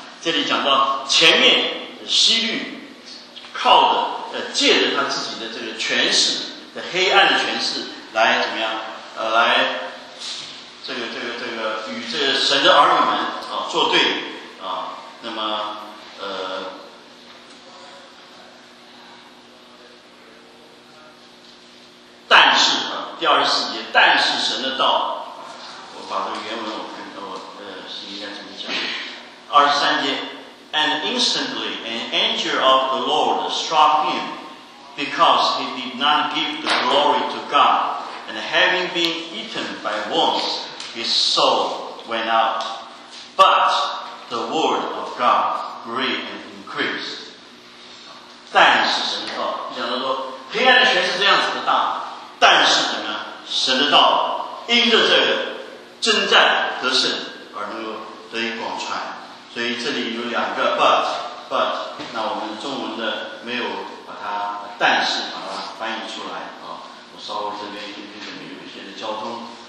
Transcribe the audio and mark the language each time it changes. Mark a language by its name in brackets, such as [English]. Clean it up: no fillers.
[Chinese] 这里讲到前面西律靠的借着他自己的这个权势的黑暗的权势来怎么样来这个与这个神的儿女们作对那么但是第二十四节，但是神的道，我把这个原文是应该怎么讲？二十三节 [English] ，And instantly an angel of the Lord struck him, because he did not give the glory to God, and having been eaten by worms, his soul went out. But the word of God grew and increased. [Chinese] 但是神的道，讲到说黑暗的权势这样子的大，但是怎么样？神的道因着这个征战得胜而能够得以广传。所以这里有两个 but， 那我们中文的没有把它但是把它翻译出来我稍微这边跟你们有一些的交通。